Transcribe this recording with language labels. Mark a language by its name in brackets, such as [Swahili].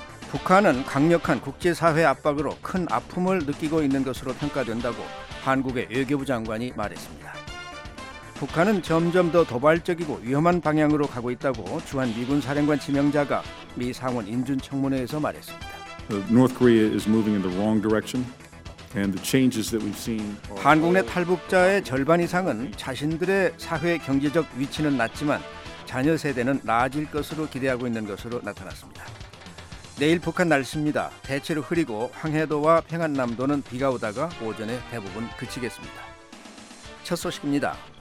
[Korean] 북한은 강력한 국제사회 압박으로 큰 아픔을 느끼고 있는 것으로 평가된다고 한국의 외교부 장관이 말했습니다. 북한은 점점 더 도발적이고 위험한 방향으로 가고 있다고 주한 미군 사령관 지명자가 미 상원 인준 청문회에서 말했습니다. [English] North Korea is moving in the wrong direction and the changes that we've seen. [Korean] 한국 내 탈북자의 절반 이상은 자신들의 사회 경제적 위치는 낮지만 자녀 세대는 나아질 것으로 기대하고 있는 것으로 나타났습니다. 내일 북한 날씨입니다. 대체로 흐리고 황해도와 평안남도는 비가 오다가 오전에 대부분 그치겠습니다. 첫 소식입니다.